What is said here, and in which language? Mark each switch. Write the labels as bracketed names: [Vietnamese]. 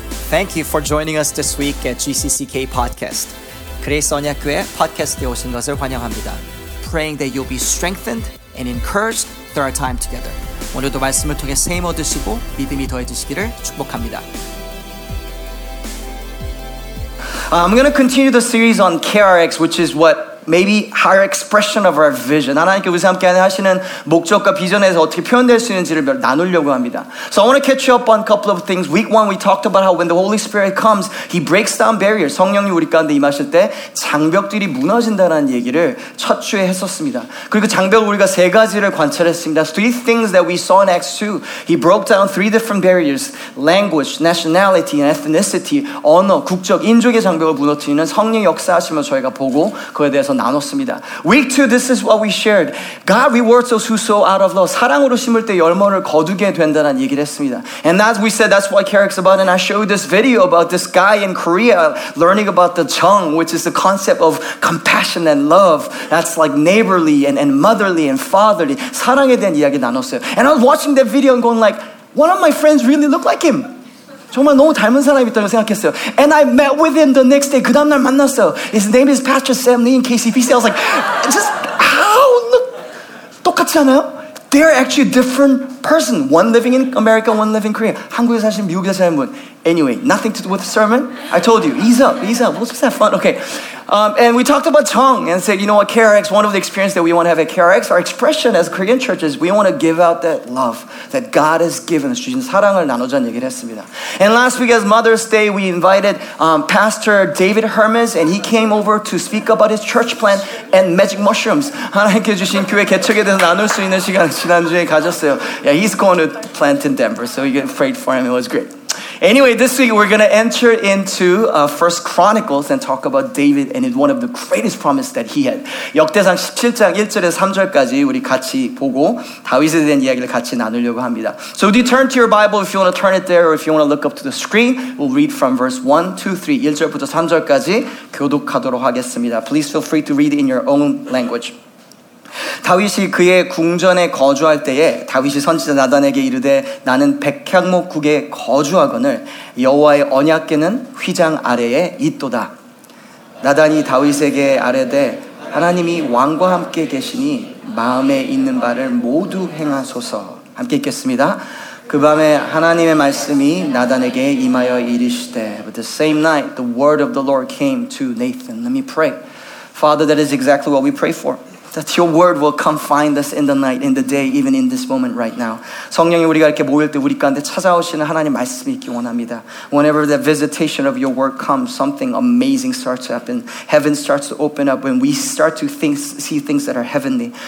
[English] Thank you for joining us this week at GCCK Podcast. [Korean] 그레이스 언약교회 팟캐스트에 오신 것을 환영합니다. [English] Praying that you'll be strengthened and encouraged through our time together. [Korean] 오늘도 말씀을 통해 세임 얻으시고 믿음이 더해지시기를 축복합니다. [English] I'm going to continue the series on KRX, which is what maybe our expression of our vision. [Korean] 하나님께서 함께 하시는 목적과 비전에서 어떻게 표현될 수 있는지를 나누려고 합니다. [English] So I want to catch you up on a couple of things. Week one, we talked about how when the Holy Spirit comes, He breaks down barriers. [Korean] 성령이 우리 가운데 임하실 때 장벽들이 무너진다는 얘기를 첫 주에 했었습니다. 그리고 장벽을 우리가 세 가지를 관찰했습니다. [English] Three things that we saw in Acts 2. He broke down three different barriers. Language, nationality, and ethnicity. [Korean] 언어, 국적, 인종의 장벽을 무너뜨리는 성령 역사하시면 저희가 보고 그에 대해 나눴습니다. [English] Week 2, this is what we shared. God rewards those who sow out of love. [Korean] 사랑으로 심을 때 열매를 거두게 된다는 얘기를 했습니다. [English] And as we said, that's what KRX is about. And I showed this video about this guy in Korea learning about the jung, which is the concept of compassion and love. That's like neighborly and motherly and fatherly. [Korean] 사랑에 대한 이야기 나눴어요. [English] And I was watching that video and going like, one of my friends really looked like him. [Korean] 정말 너무 닮은 사람이 있다고 생각했어요. [English] And I met with him the next day. [Korean] 그 다음날 만났어요. [English] His name is Pastor Sam Lee in KCPC. I was like, just how? Look, [Korean] 똑같지 않아요? [English] They're actually different person. One living in America, one living in Korea. [Korean] 한국에 사시는 미국에 사시는 분. [English] Anyway, nothing to do with the sermon. I told you, ease up. We'll just have fun. Okay. And we talked about tongue and said, you know what, KRX, one of the experiences that we want to have at KRX, our expression as Korean churches, we want to give out that love that God has given us. [Korean] 주신 사랑을 나누자는 얘기를 했습니다. [English] And last week, as Mother's Day, we invited Pastor David Hermes, and he came over to speak about his church plan and magic mushrooms. [Korean] 하나님께 주신 교회 개척에 대해서 나눌 수 있는 시간 지난주에 가졌어요. [English] Yeah, he's going to plant in Denver, so you can pray for him. It was great. Anyway, this week we're going to enter into 1 Chronicles and talk about David and one of the greatest promises that he had. [Korean] 역대상 17장 1절에서 3절까지 우리 같이 보고 다윗에 대한 이야기를 같이 나누려고 합니다. [English] So do you turn to your Bible if you want to turn it there or if you want to look up to the screen. We'll read from verse 1, 2, 3. [Korean] 1절부터 3절까지 교독하도록 하겠습니다. [English] Please feel free to read in your own language. [Korean] 다윗이 그의 궁전에 거주할 때에 다윗이 선지자 나단에게 이르되 나는 백향목국에 거주하거늘 여호와의 언약궤는 휘장 아래에 있도다. 나단이 다윗에게 아뢰되 하나님이 왕과 함께 계시니 마음에 있는 바를 모두 행하소서. 함께 읽겠습니다. 그 밤에 하나님의 말씀이 나단에게 임하여 이르시되 [English] But the same night the word of the Lord came to Nathan. Let me pray. Father, that is exactly what we pray for. That your word will come find us in the night, in the day, even in this moment right now. [Korean] 성령이 우리가 이렇게 모일 때 우리 가운데 찾아오시는 하나님 말씀이 있기 원합니다. [English] Whenever the visitation of your word comes, something amazing starts to happen. Heaven starts to open up when we start to think, see things that are heavenly.